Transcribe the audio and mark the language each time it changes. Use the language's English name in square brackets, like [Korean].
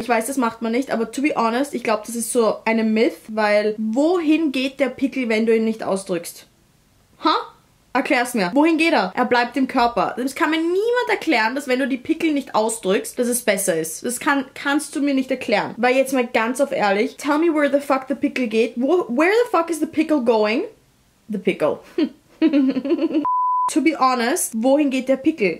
[German] Ich weiß, das macht man nicht, aber [English] to be honest, [German] ich glaube, das ist so eine Myth, weil wohin geht der Pickel, wenn du ihn nicht ausdrückst? Ha? Huh? Erklär's mir. Wohin geht er? Er bleibt im Körper. Das kann mir niemand erklären, dass wenn du die Pickel nicht ausdrückst, dass es besser ist. Das kannst du mir nicht erklären. Weil jetzt mal ganz auf ehrlich, [English] tell me where the fuck the pickle [German] geht. [English] Where the fuck is the pickle going? The pickle. To be honest, [German] wohin geht der Pickel?